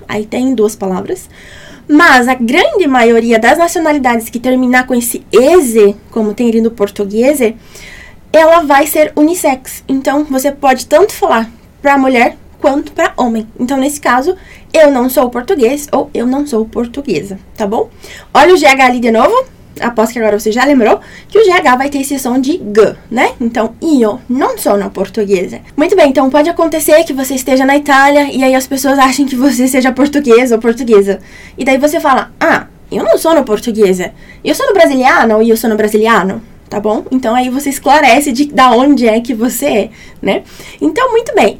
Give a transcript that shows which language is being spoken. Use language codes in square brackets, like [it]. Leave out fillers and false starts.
[pt] Aí tem duas palavras. Mas a grande maioria das nacionalidades que terminar com esse ese, como tem ali no português, ela vai ser unissex. Então, você pode tanto falar para mulher quanto para homem. Então, nesse caso, eu não sou português ou eu não sou portuguesa, tá bom? Olha o GH ali de novo. Aposto que agora você já lembrou que o GH vai ter esse som de G, né? [it] Então, io non sono portoghese. [pt] Muito bem, então pode acontecer que você esteja na Itália e aí as pessoas achem que você seja português ou portuguesa. E daí você fala, ah, Eu não sou portuguesa. Eu sou brasiliano, eu sou brasiliano, tá bom? Então aí você esclarece de da onde é que você é, né? Então, muito bem.